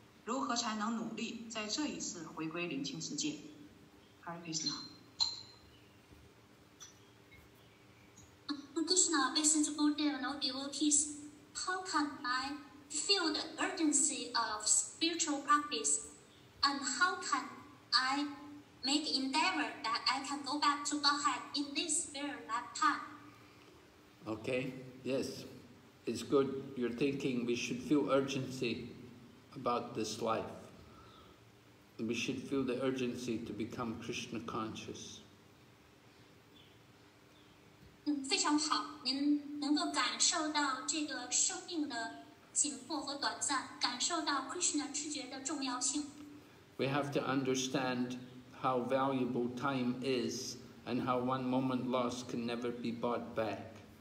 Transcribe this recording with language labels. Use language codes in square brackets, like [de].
[zh] 如何才能努力在这一次回归灵性世界？ [en] Hare Krishna。 Krishna, based on Gurudev and all devotees, how can I feel the urgency of spiritual practice? And how can I make endeavor that I can go back to Godhead in this very lifetime? Okay, yes, it's good. You're thinking we should feel urgency about this life. We should feel the urgency to become Krishna conscious. [zh] 非常好，您能够感受到这个生命的紧迫和短暂，感受到 Krishna 知觉的重要性。 [en] We have to understand how valuable time is and how one moment lost can never be bought back.